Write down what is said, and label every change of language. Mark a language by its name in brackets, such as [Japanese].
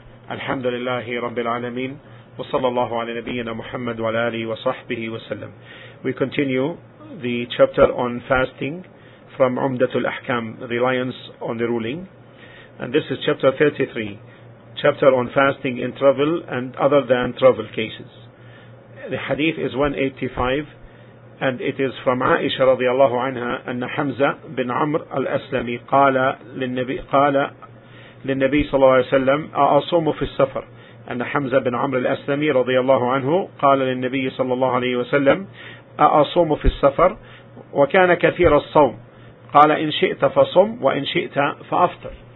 [Arabic] الحمد لله رب العالمين، وصلى الله على نبينا محمد وعلى آله وصحبه وسلم. [English] We continue the chapter on fasting from عمدة الأحكام, reliance on the ruling. And this is chapter 33, chapter on fasting in travel and other than travel cases. The hadith is 185, and it is from [Arabic] عائشة رضي الله عنها أن حمزة بن عمر الأسلمي قال للنبي للنبي صلى الله عليه وسلم أصوم في السفر. أن حمزة بن عمر الأسلمي رضي الله عنه قال للنبي صلى الله عليه وسلم أصوم في السفر، وكان كثير الصوم، قال إن شئت فصم وإن شئت فأفطر.